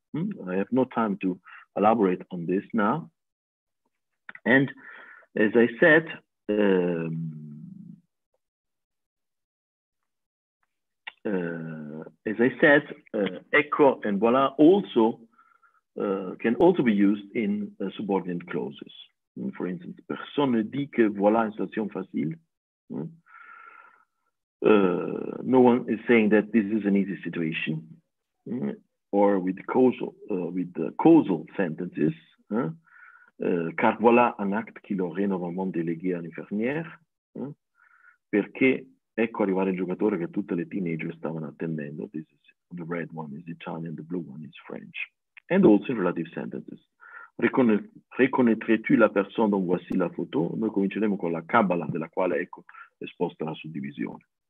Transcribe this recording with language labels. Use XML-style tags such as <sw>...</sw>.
<en>I have no time to elaborate on this now. And as I said, echo and voila also can also be used in subordinate clauses. For instance,</en> <fr>personne ne dit que voilà une situation facile.</fr> <en>No one is saying that this is an easy situation. Or with causal sentences,</en> <fr>car voilà un acte qui l'aurait normalement délégué à l'infirmière.</fr> <it>Perché ecco arrivare il giocatore che tutte le teenagers stavano attendendo.</it> <en>This is the red one is Italian, the blue one is French. And also in relative sentences.</en> <fr>Reconnaîtrais-tu la personne dont voici la photo?</fr> <it>Noi cominceremo con la cabala della quale ecco esposta la suddivisione.</it>